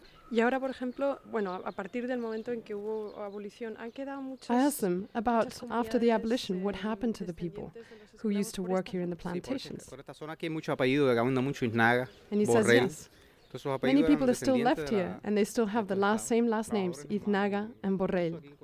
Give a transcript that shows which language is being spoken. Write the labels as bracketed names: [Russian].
[Spanish] Y ahora, por ejemplo, bueno, a partir del momento en que hubo abolición, han quedado muchas. [English] I asked them about after the abolition, what happened to the people who used to work here in the plantations. [Spanish] Por esta zona aquí hay mucho apellido de Gabunda, mucho Isnaga, Borrell. [English] Many people are still left here, and they still have the same last names, Isnaga and Borrell.